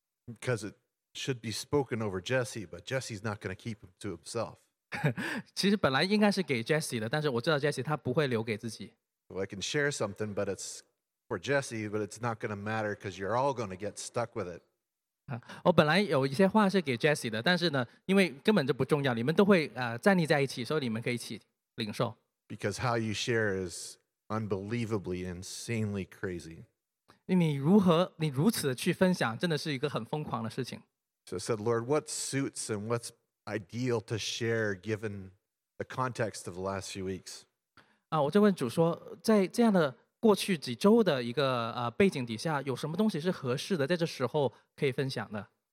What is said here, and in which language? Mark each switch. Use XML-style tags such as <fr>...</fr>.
<en>Because it should be spoken over Jesse, but Jesse's not going to keep him to himself.</en> <zh>其实本来应该是给Jesse的, 但是我知道Jesse他不会留给自己。</zh> <en>Well, I can share something, but it's for Jesse, but it's not going to matter because you're all going to get stuck with it.</en> <zh>我本来有一些话是给Jesse的, 但是呢,因为根本就不重要, 你们都会, 站立在一起, 所以你们可以一起领受。</zh> <en>Because how you share is unbelievably, insanely crazy.</en> <zh>你如此去分享, 真的是一个很疯狂的事情。</zh> <en>So I said, Lord, what suits and what's ideal to share given the context of the last few weeks?</en> <zh>我就问主说, 在这样的 过去几周的一个背景底下，有什么东西是合适的，在这时候可以分享的？</zh>